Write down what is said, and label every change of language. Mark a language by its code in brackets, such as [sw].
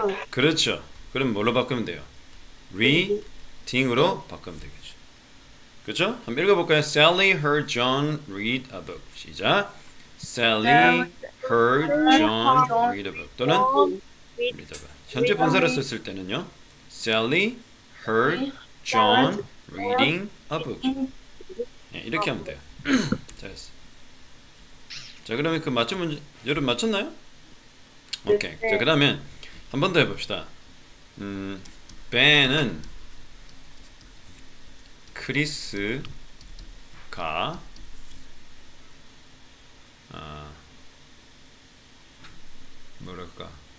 [ko] 그렇죠. 그럼 뭘로 바꾸면 돼요? reading으로 바꾸면 되겠죠. 그렇죠? 한번 읽어볼까요? [en] Sally heard John read a book. [ko] 시작. [en] Sally heard John read a book. [ko] 또는 [en] read a book. [ko] 현재 분사로 썼을 때는요. [en] Sally heard John reading a book. [ko] 네, 이렇게 하면 돼요. 잘했어. 자, 그러면 그 맞춤 문제, 여러분 맞췄나요? 오케이. 자, 그러면 한번더 해봅시다. Ben은 크리스가 뭐랄까?